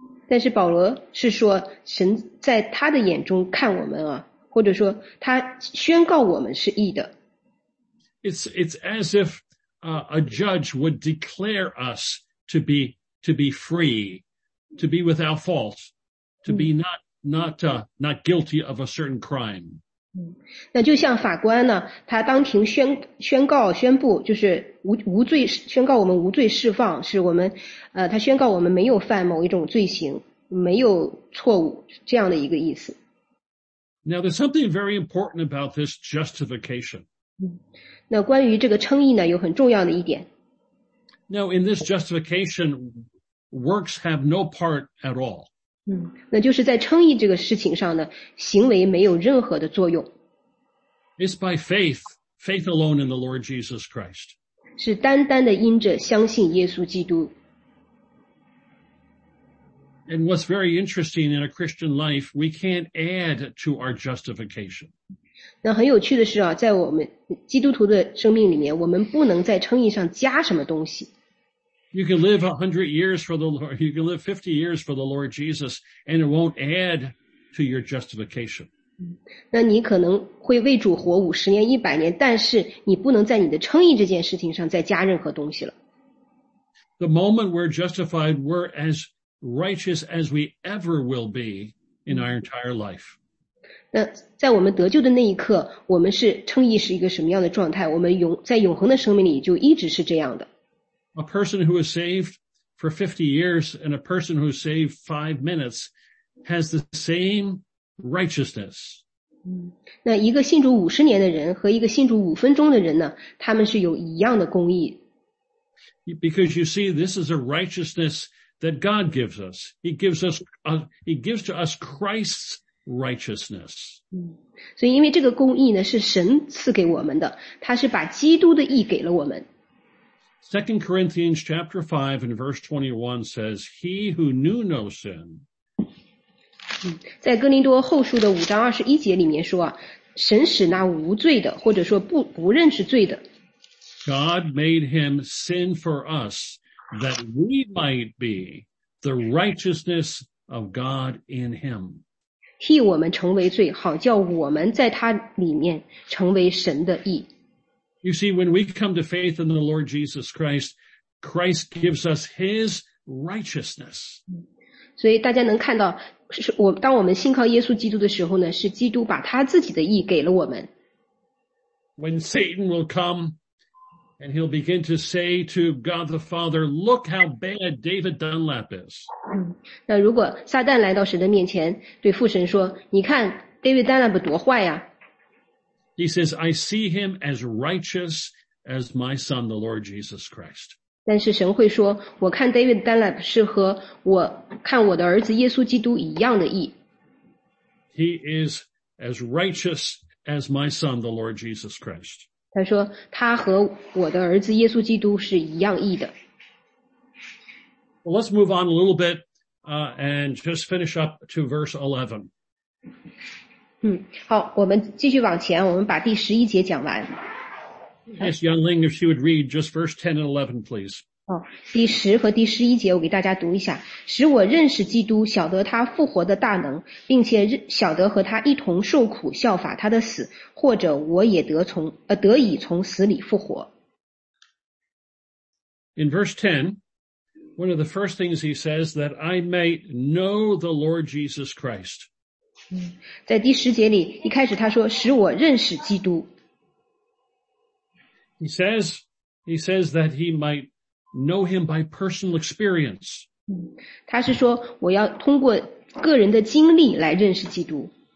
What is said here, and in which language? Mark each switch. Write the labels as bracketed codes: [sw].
[zh] 但是保罗是说，神在他的眼中看我们啊，或者说他宣告我们是义的。 [en] it's as if a judge would declare us to be free, to be without fault, to be not guilty of a certain crime. [zh] 那就像法官呢，他当庭宣告就是无罪，宣告我们无罪释放，是我们他宣告我们没有犯某一种罪行，没有错误，这样的一个意思。 [en] Now there's something very important about this justification. [zh] 那关于这个称义呢，有很重要的一点。 [en] Now in this justification, works have no part at all. [zh] 那就是在称义这个事情上呢，行为没有任何的作用。 [en] It's by faith alone in the Lord Jesus Christ. [zh] 是单单的因着相信耶稣基督。 [en] And what's very interesting in a Christian life, we can't add to our justification. [zh] 那很有趣的是啊，在我们基督徒的生命里面，我们不能在称义上加什么东西。 [en] You can live 100 years for the Lord, you can live 50 years for the Lord Jesus, and it won't add to your justification. [zh] 那你可能会为主活50年、100年，但是你不能在你的称义这件事情上再加任何东西了。 [en] The moment we're justified, we're as righteous as we ever will be in our entire life. [zh] 那在我们得救的那一刻，我们是称义是一个什么样的状态？我们在永恒的生命里就一直是这样的。 [en] A person who is saved for 50 years and a person who is saved 5 minutes has the same righteousness. [zh] 那一个信主50年的人和一个信主5分钟的人呢，他们是有一样的公义。 [en] Because you see, this is a righteousness that God gives us. He gives to us Christ's righteousness. [zh] 所以因为这个公义呢，是神赐给我们的，他是把基督的义给了我们。 [en] 2 Corinthians chapter 5 and verse 21 says, He who knew no sin. [zh] 在哥林多后书的5章21节里面说啊，神使那无罪的，或者说不认识罪的。 [en] God made him sin for us, that we might be the righteousness of God in him. [zh] 替我们成为罪，好叫我们在他里面成为神的义。 [en] You see, when we come to faith in the Lord Jesus Christ, Christ gives us His righteousness. [zh] 所以大家能看到，当我们信靠耶稣基督的时候呢，是基督把他自己的义给了我们。 [en] When Satan will come, and he'll begin to say to God the Father, "Look how bad David Dunlap is." [zh] 那如果撒旦来到神的面前，对父神说，你看 David Dunlap 多坏呀。 [en] He says, I see him as righteous as my son, the Lord Jesus Christ. [zh] 但是神会说，我看 David Dunlap 是和我看我的儿子耶稣基督一样的义。 [en] He is as righteous as my son, the Lord Jesus Christ. [zh] 他说，他和我的儿子耶稣基督是一样义的。 [en] Well, let's move on a little bit, and just finish up to verse 11. [zh] 好，我们继续往前，我们把第十一节讲完。 [en] Yes, Young Ling, if you would read just verse 10 and 11, please. [zh] 哦，第十和第十一节我给大家读一下。使我认识基督，晓得他复活的大能，并且晓得和他一同受苦，效法他的死，或者我也得以从死里复活。 [en] In verse 10, one of the first things he says that I may know the Lord Jesus Christ. [zh] 在第十节里，一开始他说，使我认识基督。 [en] He says that he might know him by personal experience. [zh] 他是说，我要通过个人的经历来认识基督。